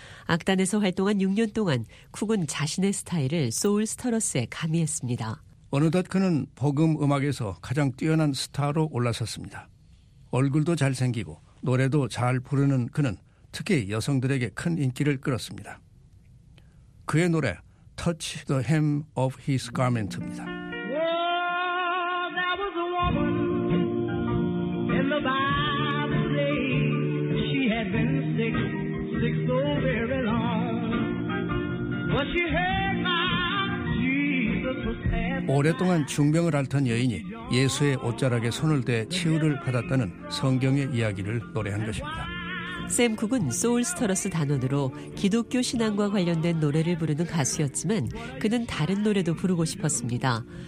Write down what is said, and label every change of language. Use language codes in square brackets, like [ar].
[ko] 악단에서 활동한 6년 동안 쿡은 자신의 스타일을 소울 스타러스에 가미했습니다. 어느덧 그는 복음 음악에서 가장 뛰어난 스타로 올라섰습니다. 얼굴도 잘생기고 노래도 잘 부르는 그는 특히 여성들에게 큰 인기를 끌었습니다. 그의 노래 Touch the Hem of His Garment입니다. [en] Oh, there was a woman in the Bible day. She had been sick, sick so very long. But she heard my Jesus was passing. [ko] 오랫동안 중병을 앓던 여인이 예수의 옷자락에 손을 대 치유를 받았다는 성경의 이야기를 노래한 것입니다. 샘 쿡은 소울 스타러스 단원으로 기독교 신앙과 관련된 노래를 부르는 가수였지만 그는 다른 노래도 부르고 싶었습니다.